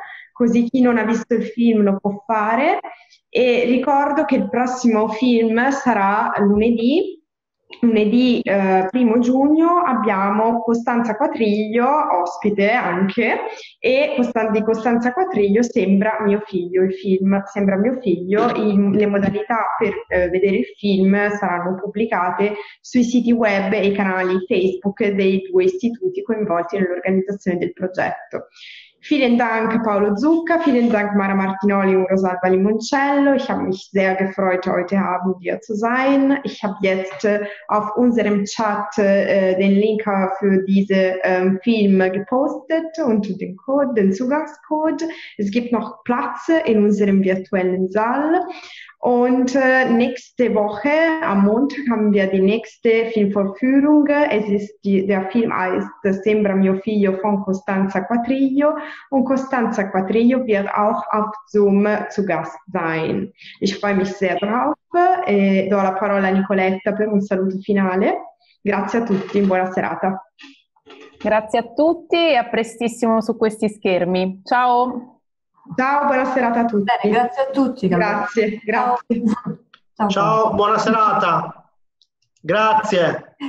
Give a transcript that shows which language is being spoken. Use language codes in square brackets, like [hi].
[it] così chi non ha visto il film lo può fare e ricordo che il prossimo film sarà lunedì 1 giugno abbiamo Costanza Quatriglio ospite anche e di Costanza Quatriglio sembra mio figlio le modalità per vedere il film saranno pubblicate sui siti web e i canali Facebook dei due istituti coinvolti nell'organizzazione del progetto. [de] Vielen Dank Paolo Zucca, vielen Dank Mara Martinoli und Rosalba Limoncello. Ich habe mich sehr gefreut, heute Abend hier zu sein. Ich habe jetzt auf unserem Chat den Link für diesen Film gepostet und den Code, den Zugangscode. Es gibt noch Platz in unserem virtuellen Saal. Und nächste Woche, am Montag, haben wir die nächste Filmvorführung. Es ist der Film heißt Sembra mio figlio von Costanza Quatriglio. Und Costanza Quatriglio wird auch auf Zoom zu Gast sein. Ich freue mich sehr drauf. [it] E do la parola a Nicoletta per un saluto finale. Grazie a tutti, buona serata. Grazie a tutti e a prestissimo su questi schermi. Ciao. Ciao, buona serata a tutti. Bene, grazie a tutti. Grazie, grazie. Ciao, buona serata. Grazie.